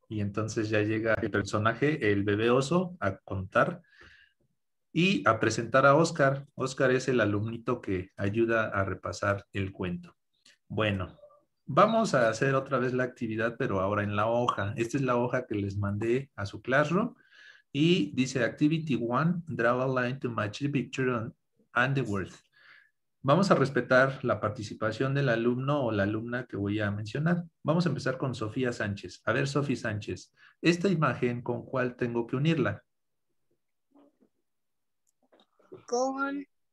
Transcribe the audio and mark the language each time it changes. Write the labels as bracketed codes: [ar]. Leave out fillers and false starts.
[es] Y entonces ya llega el personaje, el bebé oso, a contar y a presentar a Oscar. Oscar es el alumnito que ayuda a repasar el cuento. Bueno, vamos a hacer otra vez la actividad, pero ahora en la hoja. Esta es la hoja que les mandé a su classroom. Y dice, [en] activity one, draw a line to match the picture and the words. [es] Vamos a respetar la participación del alumno o la alumna que voy a mencionar. Vamos a empezar con Sofía Sánchez. A ver, Sofía Sánchez, ¿esta imagen con cuál tengo que unirla? Con...